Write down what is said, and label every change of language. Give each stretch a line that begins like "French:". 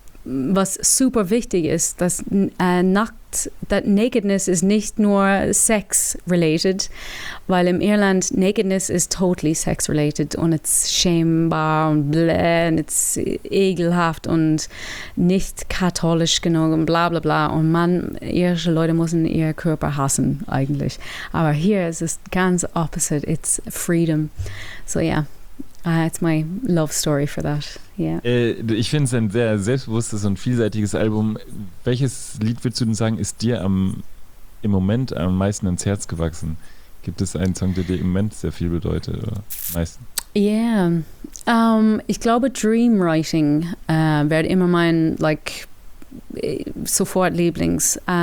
German: was super wichtig ist, dass
English: that nakedness is
German: nicht nur sex related, weil in Irland nakedness
English: is totally sex related
German: und it's shamebar und bläh und it's ekelhaft und nicht katholisch genug und bla bla bla und man, irische Leute müssen ihren Körper hassen eigentlich. Aber hier ist es ganz opposite,
English: it's freedom. So yeah. It's my love story for that. Yeah.
German: Ich finde es ein sehr selbstbewusstes und vielseitiges Album. Welches Lied würdest du denn sagen, ist dir im Moment am meisten ins Herz gewachsen? Gibt es einen Song, der dir im Moment sehr viel bedeutet? Oder meistens?
English: Yeah.
German: Ich glaube, Dreamwriting wird immer mein like sofort Lieblings.